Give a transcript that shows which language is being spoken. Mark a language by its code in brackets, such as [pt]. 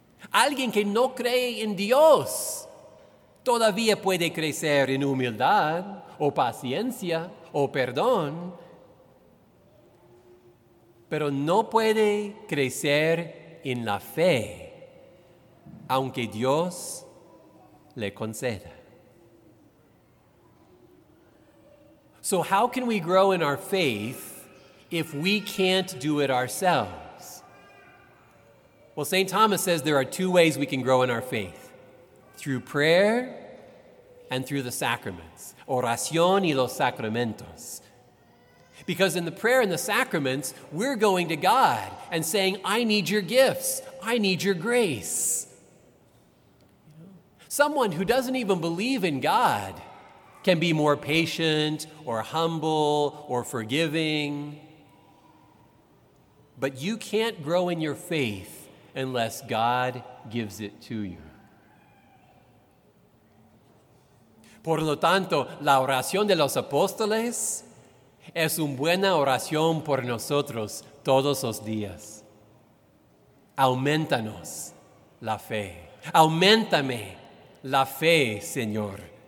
[es] Alguien que no cree en Dios todavía puede crecer en humildad o paciencia o perdón, pero no puede crecer en la fe, aunque Dios le conceda. [en] So how can we grow in our faith if we can't do it ourselves? Well, St. Thomas says there are two ways we can grow in our faith: through prayer and through the sacraments, [es] oración y los sacramentos. [en] Because in the prayer and the sacraments, we're going to God and saying, I need your gifts, I need your grace. Someone who doesn't even believe in God can be more patient or humble or forgiving. But you can't grow in your faith unless God gives it to you. [es] Por lo tanto, la oración de los apóstoles es una buena oración por nosotros todos los días. Aumentanos la fe. Aumentame la fe, Señor.